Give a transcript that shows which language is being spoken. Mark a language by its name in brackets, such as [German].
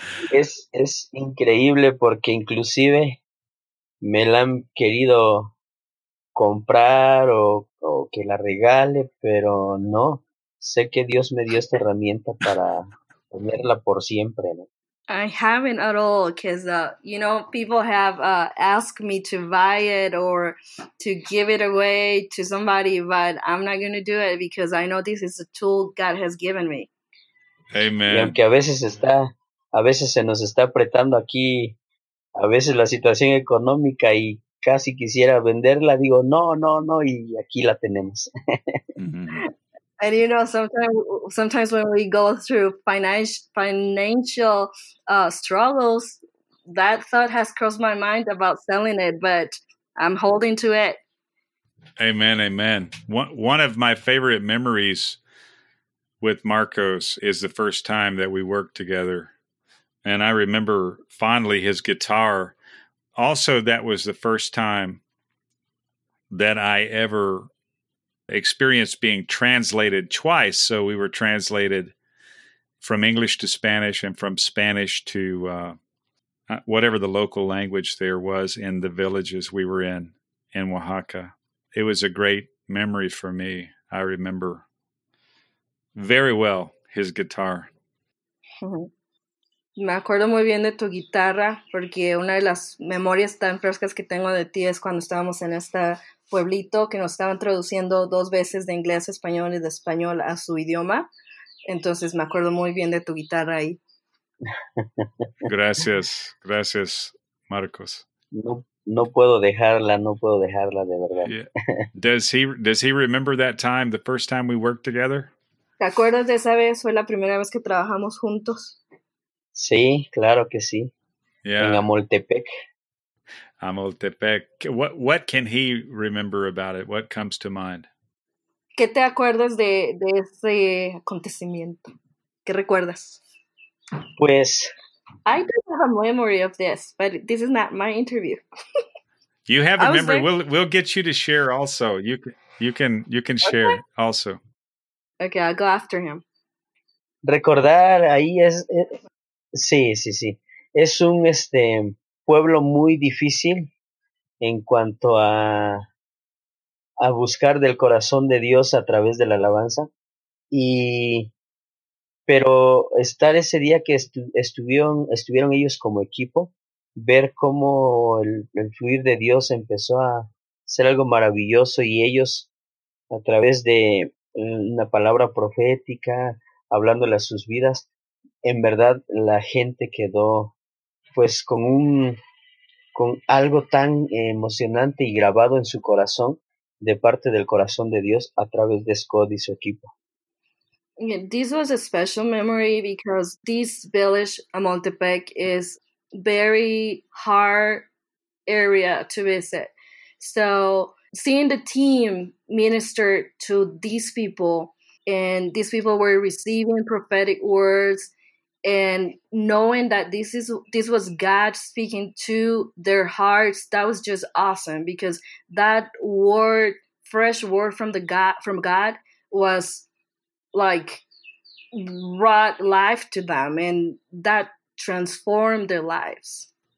[Spanish] Es increíble porque inclusive me la han querido comprar o que la regale, pero no. Sé que Dios me dio esta herramienta para tenerla por siempre, ¿no? [English] I haven't at all, because, you know, people have asked me to buy it or to give it away to somebody, but I'm not going to do it because I know this is a tool God has given me. Amen. [Spanish] Y aunque a veces se nos está apretando aquí, a veces la situación económica y casi quisiera venderla, digo, no, y aquí la tenemos. Mm-hmm. [English] And, you know, sometimes when we go through financial struggles, that thought has crossed my mind about selling it, but I'm holding to it. Amen, amen. One of my favorite memories with Marcos is the first time that we worked together. And I remember fondly his guitar. Also, that was the first time that I ever experience being translated twice. So we were translated from English to Spanish and from Spanish to whatever the local language there was in the villages we were in Oaxaca. It was a great memory for me. I remember very well his guitar. [Spanish] Me acuerdo muy bien de tu guitarra, porque una de las memorias tan frescas que tengo de ti es cuando estábamos en este pueblito que nos estaban traduciendo dos veces de inglés a español y de español a su idioma. Entonces me acuerdo muy bien de tu guitarra ahí. Gracias, gracias, Marcos. No puedo dejarla, de verdad. [English] Yeah. Does he remember that time, the first time we worked together? [Spanish] ¿Te acuerdas de esa vez? Fue la primera vez que trabajamos juntos. Sí, claro que sí. [English] Yeah. [Spanish] En Amoltepec. Amoltepec. [English] What can he remember about it? What comes to mind? ¿Qué te acuerdas de ese acontecimiento? ¿Qué recuerdas? [Spanish] Pues, [English] I don't have a memory of this, but this is not my interview. You have a memory. We'll get you to share also. You can share also. Okay, I'll go after him. [Spanish] Recordar ahí es sí. Es un pueblo muy difícil en cuanto a buscar del corazón de Dios a través de la alabanza. Pero estar ese día que estuvieron ellos como equipo, ver cómo el fluir de Dios empezó a ser algo maravilloso y ellos, a través de una palabra profética, hablándole a sus vidas, en verdad la gente quedó pues con algo tan emocionante y grabado en su corazón, de parte del corazón de Dios a través de Scott y su equipo. [English] Yeah, this was a special memory because this village, Amoltepec, is very hard area to visit. So seeing the team minister to these people, and these people were receiving prophetic words, and knowing that this was God speaking to their hearts, that was just awesome, because that word, fresh word from God was like brought life to them, and that transformed their lives.